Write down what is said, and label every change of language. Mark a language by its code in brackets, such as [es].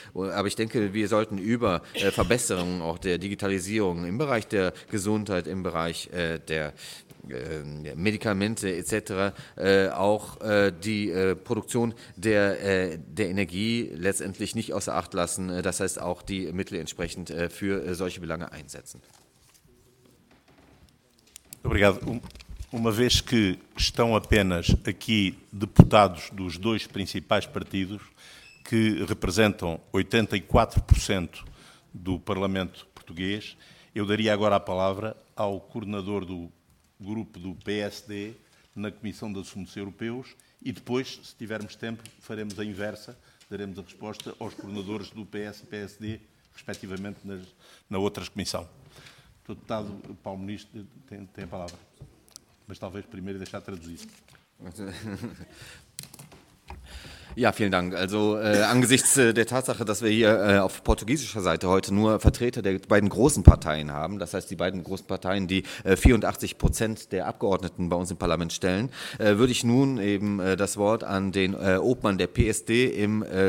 [de] Aber ich denke, wir sollten über Verbesserungen auch der Digitalisierung im Bereich der Gesundheit, im Bereich der Medikamente etc. auch die Produktion der Energie letztendlich nicht außer Acht lassen. Das heißt, auch die Mittel entsprechend für solche Belange einsetzen. [pt] Obrigado. Uma vez que estão apenas aqui deputados dos dois principais partidos, que representam 84% do Parlamento Português, eu daria agora a palavra ao coordenador do grupo do PSD na Comissão de Assuntos Europeus e depois, se tivermos tempo, faremos a inversa, daremos a resposta aos coordenadores do PS e PSD, respectivamente, na outra comissão. Deputado Paulo Ministro tem a palavra, mas talvez primeiro deixar traduzir. [de] Ja, vielen Dank. Also angesichts der Tatsache, dass wir hier auf portugiesischer Seite heute nur Vertreter der beiden großen Parteien haben, das heißt die beiden großen Parteien, die 84% der Abgeordneten bei uns im Parlament stellen, würde ich nun eben das Wort an den Obmann der PSD im